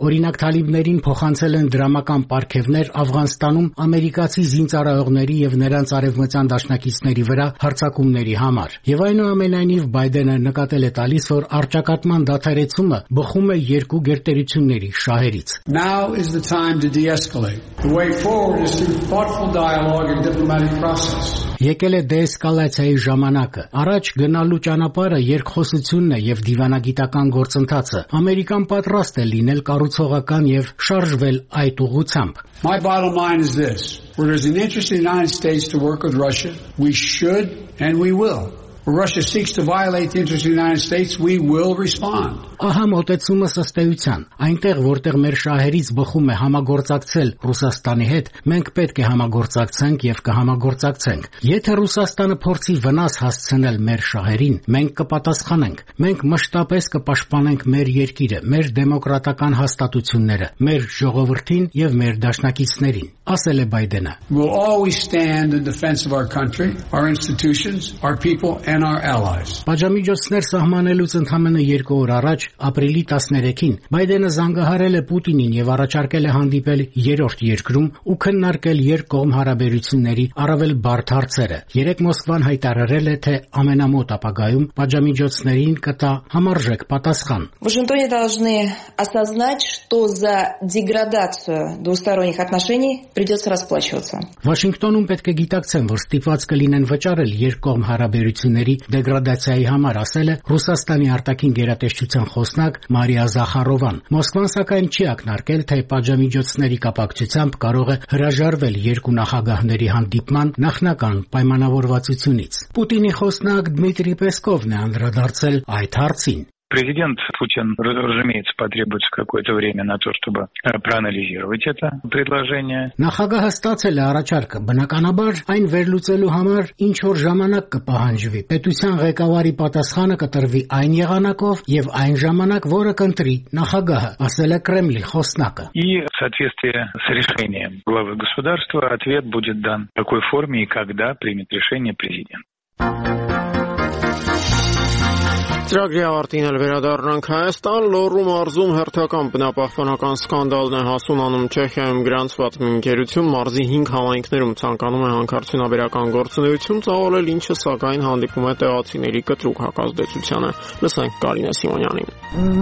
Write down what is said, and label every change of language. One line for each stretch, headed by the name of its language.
Armenian: օրինակ թալիբներին փոխանցել են դրամական պարգևներ Աֆղանստանում ամերիկացի զինծառայողների և նրանց արևմտյան դաշնակիցների վրա հարձակումների համար։ Եվ այնուամենայնիվ Բայդենը նկատել է տալիս, որ արճակատման դադարեցումը բխում է երկու գերտերությունների շահերից։
English: Now is the time to de-escalate. The way forward is through thoughtful dialogue and diplomatic process.
Armenian: Եկել է դեսկալացիայի ժամանակը։ Առաջ գնալու ճանապարհը երկխոսությունն է եւ դիվանագիտական գործընթացը։ Ամերիկան պատրաստ է լինել կառուցողական եւ շարժվել այդ ուղությամբ։
English: My bottom line is this. Where there's an interest in the United States to work with Russia, we should and we will. Russia seeks to violate the interests of the United States, we will respond.
Armenian: Ահա մոտեցումը ըստեյության։ Այնտեղ, որտեղ մեր շահերից բխում է համագործակցել Ռուսաստանի հետ, մենք պետք է համագործակցենք եւ կհամագործակցենք։ Եթե Ռուսաստանը փորձի վնաս հասցնել մեր շահերին, մենք կպատասխանենք։ Մենք մշտապես կպաշտպանենք մեր երկիրը, մեր դեմոկրատական հաստատությունները, մեր ժողովրդին եւ մեր դաշնակիցներին, ասել է Բայդենը։
English: We will always stand in defense of our country, our institutions, our people. and our allies.
Armenian: Պաշտամիջոցներ սահմանելուց ընդամենը 2 օր առաջ, ապրիլի 13-ին, Բայդենը զանգահարել է Պուտինին եւ առաջարկել է հանդիպել երրորդ երկրում ու քննարկել երկկողմ հարաբերությունների առավել բարդ հարցերը։ Երեկ Մոսկվան հայտարարել է, թե ամենամոտ ապագայում պաշտամիջոցներին կտա համարժեք պատասխան։
Russian: Вашингтоне должны осознать, что за деградацию двусторонних отношений придётся расплачиваться.
Armenian: Вашингтонում պետք է գիտակցեն, որ ստիպված կլինեն վճարել երկկողմ հարաբերությունների դեգրադացիայի համար, ասել է Ռուսաստանի արտաքին գերատեսչության խոսնակ Մարիա Զախարովան։ Մոսկվան սակայն չի ակնարկել, թե պաշտամիջոցների կապակցությամբ կարող է հրաժարվել երկու նախագահների հանդիպման նախնական պայմանավորվածությունից։ Պուտինի խոսնակ Դմիտրի Պեսկովն է անդրադարձել այդ հարցին։
Russian: Президент Путин, разумеется, потребуется какое-то время на то, чтобы проанализировать это предложение.
Armenian: Նախագահը ստացել է առաջարկը, բնականաբար այն վերլուծելու համար ինչ որ ժամանակ կպահանջվի։ Պետության ղեկավարի պատասխանը կտրվի այն եղանակով եւ այն ժամանակ, որը կընտրի նախագահը, ասել է Կրեմլի խոսնակը։
Russian: И в соответствии с решением главы государства ответ будет дан в какой форме и когда примет решение президент.
Armenian: Ծրագրի ավարտին էլ վերադառնանք Հայաստան, Լոռու մարզում հերթական բնապահպանական սկանդալն է հասուն անում Չեխիայում գրանցված ընկերություն, մարզի 5 համայնքներում ցանկանում է հանքարդյունաբերական գործունեություն ծավալել, ինչը սակայն հանդիպում է տեղացիների կտրուկ հակազդեցությանը։ Լսենք Կարինե Սիմոնյանին։